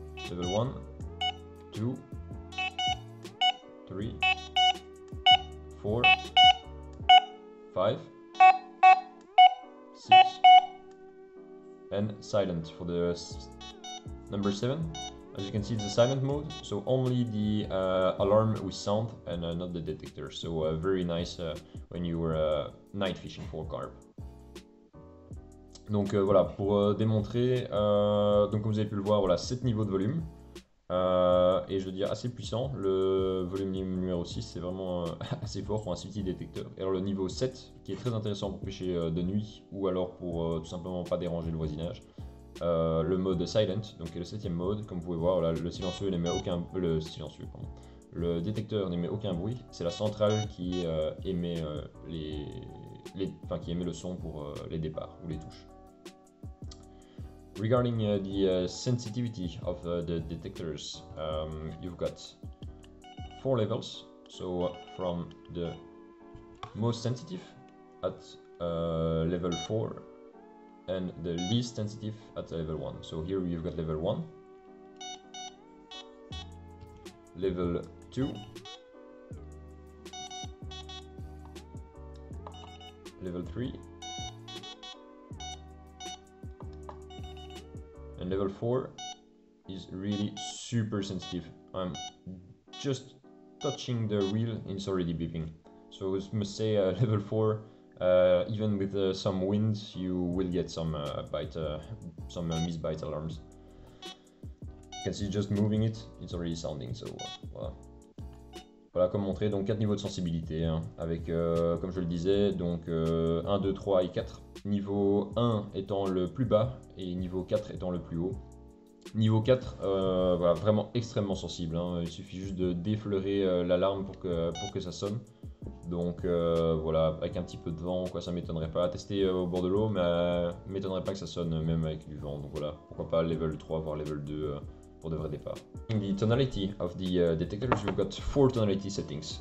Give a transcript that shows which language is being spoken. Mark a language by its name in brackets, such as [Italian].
[English] Level 1, 2, 3, 4, 5, 6, and silent for the number 7. As you can see, it's a silent mode, so only the alarm with sound and not the detector. So very nice when you were night fishing for carp. [French] Donc voilà, pour démontrer, donc comme vous avez pu le voir, voilà 7 niveaux de volume. Et je veux dire assez puissant, le volume numéro 6 c'est vraiment assez fort pour un si petit détecteur. Et alors le niveau 7, qui est très intéressant pour pêcher de nuit ou alors pour tout simplement pas déranger le voisinage. Le mode silent, donc est le 7ème mode, comme vous pouvez voir, voilà, le silencieux n'émet aucun le détecteur n'émet aucun bruit, c'est la centrale qui émet qui émet le son pour les départs ou les touches. [English] Regarding the sensitivity of the detectors, you've got 4 levels, so from the most sensitive at level 4 and the least sensitive at level 1. So here you've got level 1, level 2, level 3, and level 4 is really super sensitive. I'm just touching the reel and it's already beeping. So I must say level 4, even with some wind, you will get some missed bite alarms. You can see just moving it, it's already sounding, so voilà. [French] Voilà, comme montré, donc 4 niveaux de sensibilité, hein, avec, comme je le disais, donc 1, 2, 3 et 4. Niveau 1 étant le plus bas et niveau 4 étant le plus haut. Niveau 4, voilà, vraiment extrêmement sensible, hein, il suffit juste de défleurer l'alarme pour que ça sonne. Donc voilà, avec un petit peu de vent, quoi, ça m'étonnerait pas. Tester au bord de l'eau, mais m'étonnerait pas que ça sonne même avec du vent. Donc voilà, pourquoi pas level 3, voire level 2 pour de vrai départ. [English] In the tonality of the detectors, we've got 4 tonality settings.